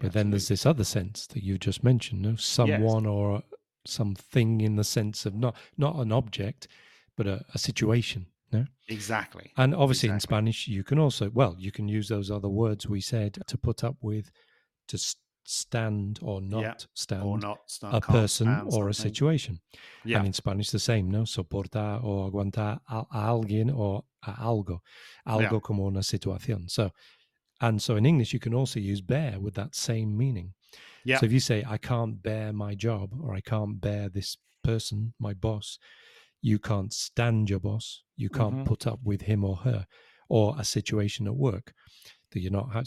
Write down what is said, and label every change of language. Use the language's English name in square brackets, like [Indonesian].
[English] But absolutely. Then there's this other sense that you just mentioned, no? Someone or something, in the sense of not an object, but a situation. Exactly. And obviously in Spanish, you can also, you can use those other words we said, to put up with, to stand or not stand a person stand or something. A situation. Yeah. And in Spanish, the same, no? [Spanish] Soportar o aguantar a alguien o a algo. Algo como una situación. [English] So in English, you can also use bear with that same meaning. Yeah. So if you say, I can't bear my job, or I can't bear this person, my boss, you can't stand your boss. You can't put up with him or her, or a situation at work that you're not.